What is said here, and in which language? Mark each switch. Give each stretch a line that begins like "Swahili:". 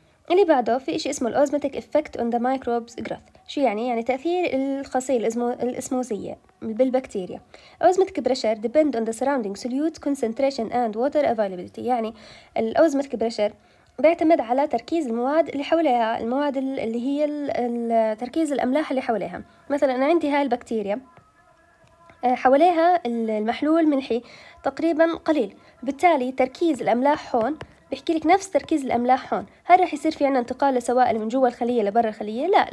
Arabic: اللي بعده في إشي اسمه الأوزماتيك إفكت
English: on the microbes growth.
Arabic: شو يعني؟ يعني تأثير الخصيل الأسموزية بالبكتيريا.
English: Osmotic pressure depend on the surrounding solute concentration and water availability.
Arabic: يعني الأوزماتيك بريشر بيعتمد على تركيز المواد اللي حولها، المواد اللي هي تركيز الأملاح اللي حولها. مثلا أنا عندي هاي البكتيريا حولها المحلول الملحي تقريبا قليل، بالتالي تركيز الأملاح هون بيحكي لك نفس تركيز الأملاح هون، هل رح يصير في عنا انتقال لسوائل من جوا الخلية لبرا الخلية؟ لا.